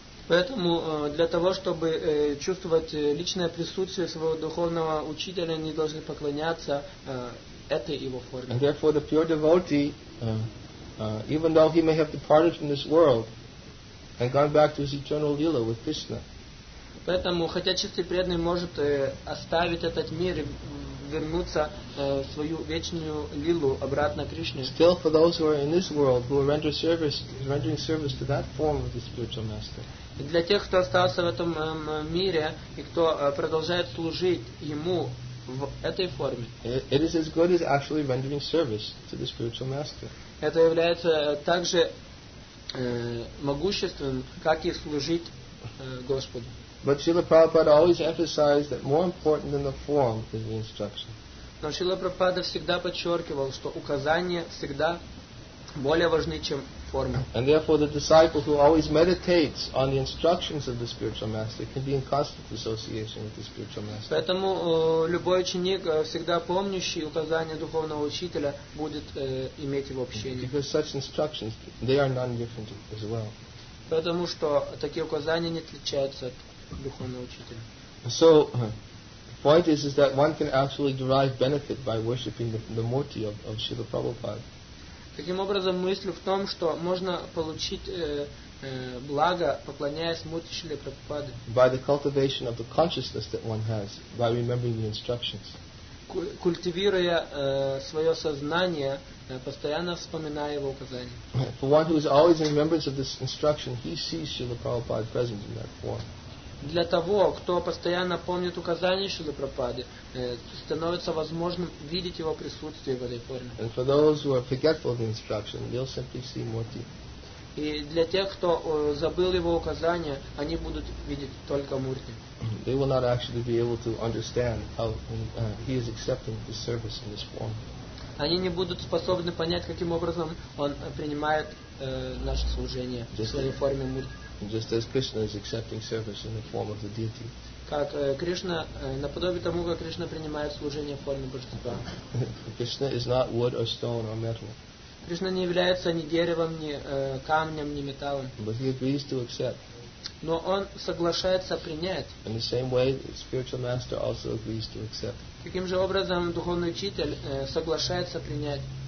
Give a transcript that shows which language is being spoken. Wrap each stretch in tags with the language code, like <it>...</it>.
<ru>Поэтому для того, чтобы чувствовать личное присутствие своего духовного учителя, они должны поклоняться этой его форме.</ru> <en>And therefore, the pure devotee, even though he may have departed from this world, and gone back to his eternal lila with Krishna.</en> <ru>Поэтому, хотя чистый преданный может оставить этот мир и вернуться в свою вечную лилу обратно к Кришне.</ru> <en>Still, for those who are in this world, who are rendering service to that form of the spiritual master.</en> <ru>Для тех, кто остался в этом мире и кто продолжает служить ему в этой форме.</ru> <en>It is as good as actually rendering service to the spiritual master.</en> <ru>Это является также могущественным, как и служить Господу.</ru> <en>But Srila Prabhupada always emphasized that more important than the form is the instruction.</en> <ru>Но Шрила Прабхупада всегда подчеркивал, что указания всегда более важны, чем форма.</ru> <en>And therefore the disciple who always meditates on the instructions of the spiritual master can be in constant association with the spiritual master.</en> <ru>Поэтому любой ученик, всегда помнящий указания духовного учителя, будет иметь его общение.</ru> <en>Because such instructions, they are non-different as well.</en> <ru>Потому что такие указания не отличаются от духовного учителя.</ru> <en>So, the point is that one can actually derive benefit by worshipping the murti of Srila Prabhupada.</en> <ru>Таким образом, мысль в том, что можно получить благо, поклоняясь мурти Шрилы Прабхупады.</ru> <en>By the cultivation of the consciousness that one has, by remembering the instructions.</en> <ru>Культивируя свое сознание, постоянно вспоминая его указания.</ru> <en>For one who is always in remembrance of this instruction, he sees Srila Prabhupada present in that form.</en> <ru>Для того, кто постоянно помнит указания Шрилы Прабхупады, становится возможным видеть его присутствие в этой форме.</ru> <en>And for those who are forgetful of the instruction, they'll simply see murti.</en> <ru>И для тех, кто забыл его указания, они будут видеть только мурти.</ru> <en>They will not actually be able to understand how he is accepting this service in this form.</en> <ru>Они не будут способны понять, каким образом он принимает наше служение в своей форме мурти.</ru> <en>Just as Krishna is accepting service in the form of the deity.</en> <ru>Как Кришна, наподобие тому, как Кришна принимает служение в форме божества.</ru> <en>Krishna is not wood or stone or metal.</en> <ru>Кришна не является ни деревом, ни камнем, ни металлом.</ru> <en>But he agrees to accept.</en> <ru>Но он соглашается принять.</ru> <en>In the same way, the spiritual master also agrees to accept.</en> <ru>Таким же образом, духовный учитель соглашается принять.</ru>